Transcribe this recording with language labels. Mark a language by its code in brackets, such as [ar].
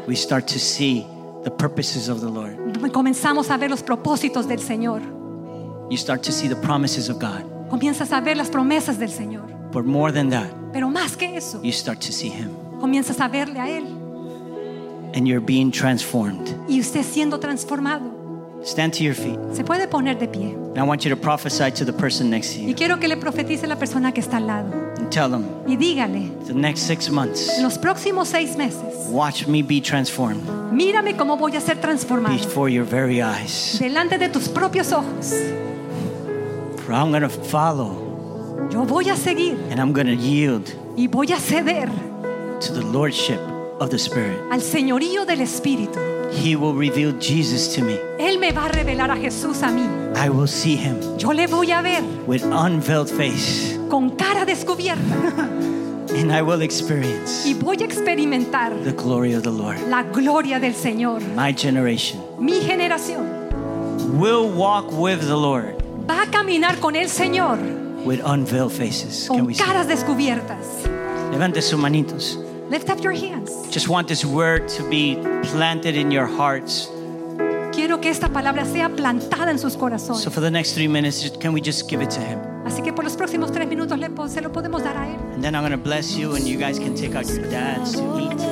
[en] We start to see the purposes of the Lord. [es] Comenzamos a ver los propósitos del Señor. [en] You start to see the promises of God. [es] Comienzas a ver las promesas del Señor. [en] But more than that, [es] pero más que eso, [en] you start to see him. [es] Comienzas a verle a él. [en] And you're being transformed. [es] Y usted siendo transformado. [en] Stand to your feet. [es] Se puede poner de pie. [en] And I want you to prophesy to the person next to you. [es] Y quiero que le profetice a la persona que está al lado. [en] And tell them. [es] Y dígale. [en] The next 6 months. [es] En los próximos 6 meses. [en] Watch me be transformed. [es] Mírame cómo voy a ser transformado. [en] Before your very eyes. [es] Delante de tus propios ojos. [en] For I'm going to follow. [es] Yo voy a seguir. [en] And I'm going to yield. [es] Y voy a ceder. [en] To the lordship of the Spirit. [es] Al señorío del Espíritu. [en] He will reveal Jesus to me. [es] Él me va a revelar a Jesús a mí. [en] I will see him. [es] Yo le voy a ver. [en] With unveiled face. [es] Con cara descubierta. [en] And I will experience. [es] Y voy a experimentar. [en] The glory of the Lord. [es] La gloria del Señor. [en] My generation. [es] Mi generación. [en] Will walk with the Lord. [es] Va a caminar con el Señor. [en] With unveiled faces, can we see? [es] Caras descubiertas. Levante sus manitos. [en] Lift up your hands. Just want this word to be planted in your hearts. [es] Quiero que esta palabra sea plantada en sus corazones. [en] So for the next 3 minutes, can we just give it to him? [es] Así que por los próximos 3 minutos se lo podemos dar a él. [en] And then I'm going to bless you, and you guys can take out your dads to eat.